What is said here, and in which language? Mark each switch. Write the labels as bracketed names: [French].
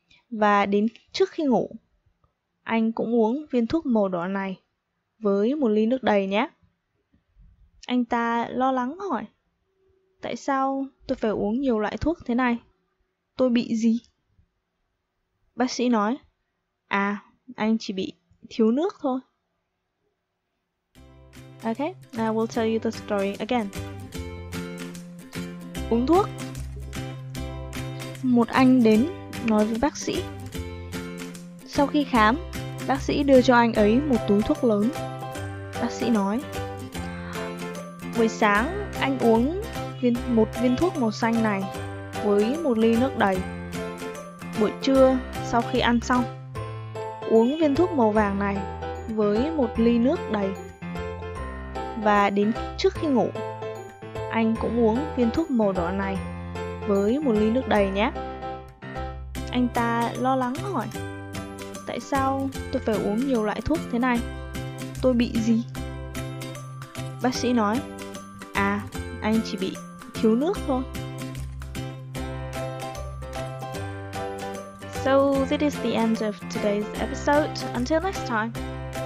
[Vietnamese] Và đến trước khi ngủ, anh cũng uống viên thuốc màu đỏ này với một ly nước đầy nhé. Anh ta lo lắng hỏi, tại sao tôi phải uống nhiều loại thuốc thế này? Tôi bị gì? Bác sĩ nói, à, anh chỉ bị thiếu nước thôi. [English] Okay, I will tell you the story again. [Vietnamese] Uống thuốc. Một anh đến nói với bác sĩ. Sau khi khám, bác sĩ đưa cho anh ấy một túi thuốc lớn. Bác sĩ nói, buổi sáng anh uống một viên thuốc màu xanh này với một ly nước đầy. Buổi trưa sau khi ăn xong, uống viên thuốc màu vàng này với một ly nước đầy. Và đến trước khi ngủ, anh cũng uống viên thuốc màu đỏ này với một ly nước đầy nhé. Anh ta lo lắng hỏi, tại sao tôi phải uống nhiều loại thuốc thế này? Tôi bị gì? Bác sĩ nói, à, anh chỉ bị thiếu nước thôi. [English] So, this is the end of today's episode. Until next time.